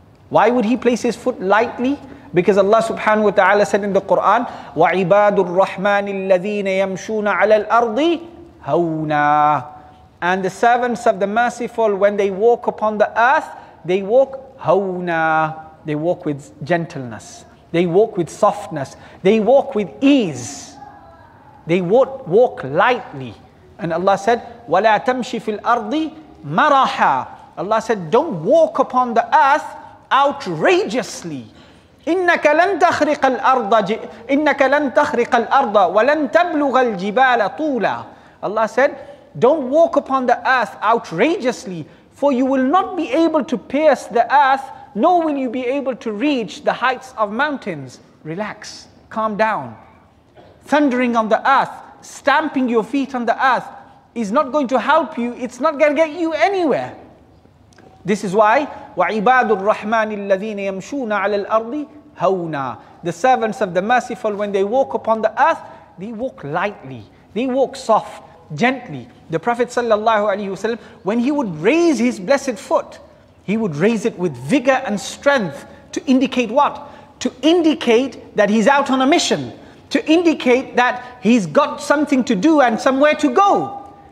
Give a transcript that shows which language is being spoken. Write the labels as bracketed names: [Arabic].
[English] Why would he place his foot lightly? Because Allah subhanahu wa ta'ala said in the Quran, [Arabic] وَعِبَادُ الرَّحْمَنِ الَّذِينَ يَمْشُونَ عَلَى الْأَرْضِ هَوْنَا. [English] And the servants of the merciful, when they walk upon the earth, they walk هَوْنَا. They walk with gentleness. They walk with softness. They walk with ease. They walk lightly. And Allah said, [Arabic] وَلَا تَمْشِ فِي الْأَرْضِ مَرَحًا. [English] Allah said, don't walk upon the earth outrageously. [Arabic] إِنَّكَ لَنْ تَخْرِقَ الْأَرْضَ إِنَّكَ لَنْ تَخْرِقَ الْأَرْضَ وَلَنْ تَبْلُغَ الْجِبَالَ طُولًا. [English] Allah said, don't walk upon the earth outrageously, for you will not be able to pierce the earth, nor will you be able to reach the heights of mountains. Relax, calm down. Thundering on the earth, stamping your feet on the earth is not going to help you. It's not going to get you anywhere. This is why, [Arabic] وَعِبَادُ الرَّحْمَنِ الَّذِينَ يَمْشُونَ عَلَى الْأَرْضِ هَوْنَا. [English] The servants of the merciful, when they walk upon the earth, they walk lightly. They walk soft, gently. The Prophet sallallahu alaihi wasallam, when he would raise his blessed foot, he would raise it with vigor and strength to indicate what? To indicate that he's out on a mission. To indicate that he's got something to do and somewhere to go.